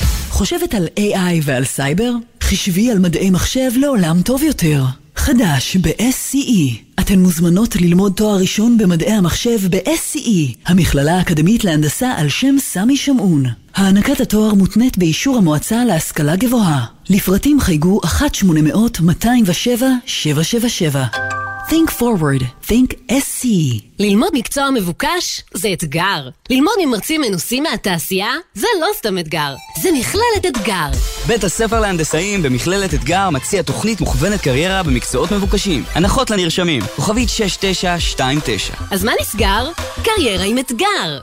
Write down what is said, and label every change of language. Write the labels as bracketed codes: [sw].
[he] חושבת על AI ועל סייבר? חשבי על מדעי מחשב לעולם טוב יותר. חדש ב-SCE. אתן מוזמנות ללמוד תואר ראשון במדעי המחשב ב-SCE, המכללה האקדמית להנדסה על שם סמי שמעון. הענקת התואר מותנית באישור המועצה להשכלה גבוהה. לפרטים חייגו 1-800-207-777. [en] Think forward, think SCE. [he] ללמוד מקצוע מבוקש זה אתגר. ללמוד ממרצים מנוסים מהתעשייה זה לא סתם אתגר, זה מכללת אתגר. בית הספר להנדסאים במכללת אתגר מציע תוכנית מוכוונת קריירה במקצועות מבוקשים. הנחות לנרשמים, כוכבית 6929. אז מה נסגר? קריירה עם אתגר.